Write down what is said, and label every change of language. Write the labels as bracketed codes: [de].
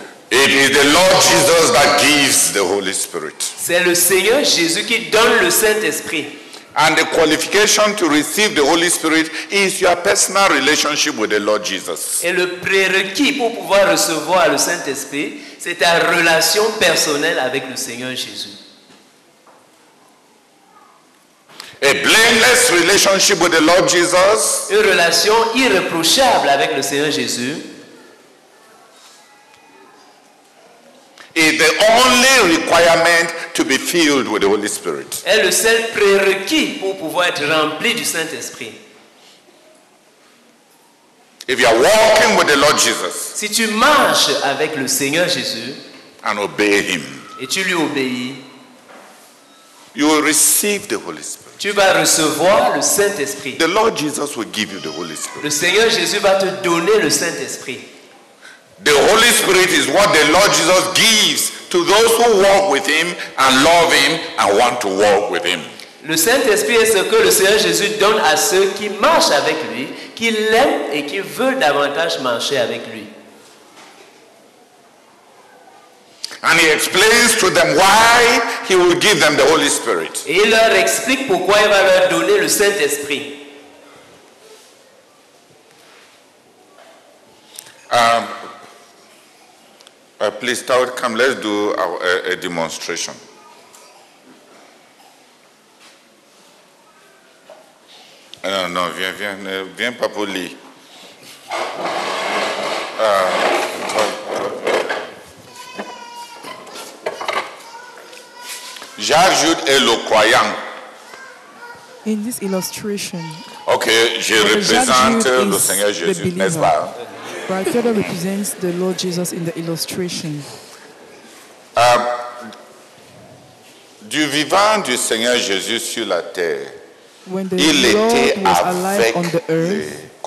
[en] it is the Lord Jesus that gives the Holy Spirit. [fr] C'est le Seigneur Jésus qui donne le Saint-Esprit. [en] And the qualification to receive the Holy Spirit is your personal relationship with the Lord Jesus. [fr] Et le prérequis pour pouvoir recevoir le Saint-Esprit, c'est ta relation personnelle avec le Seigneur Jésus. [en] A blameless relationship with the Lord Jesus. [fr] Une relation irréprochable avec le Seigneur Jésus. [en] Is the only requirement to be filled with the Holy Spirit. [fr] Est le seul prérequis pour pouvoir être rempli du Saint-Esprit. [en] If you are walking with the Lord Jesus. [fr] Si tu marches avec le Seigneur Jésus. [en] And obey him. [fr] Et tu lui obéis. [en] You will receive the Holy Spirit. [fr] Tu vas recevoir le Saint-Esprit. [en] The Lord Jesus will give you the Holy Spirit. [fr] Le Seigneur Jésus va te donner le Saint-Esprit. [en] The Holy Spirit is what the Lord Jesus gives to those who walk with him and love him and want to walk with him. [fr] Le Saint-Esprit est ce que le Seigneur Jésus donne à ceux qui marchent avec lui, qui l'aiment et qui veulent davantage marcher avec lui. [en] And he explains to them why he will give them the Holy Spirit. [fr] Et il leur explique pourquoi il va leur donner le Saint-Esprit. [en] Please start, come, let's do a demonstration. [fr] Non, viens pas pour lui. J'ajoute et le croyant. [en] In this illustration, [fr] okay, je représente le Seigneur Jésus, n'est-ce pas? [en] Brad Fedder represents the Lord Jesus in the illustration. [fr] Du vivant du Seigneur Jésus sur la terre, [en] when the Lord was alive on the earth,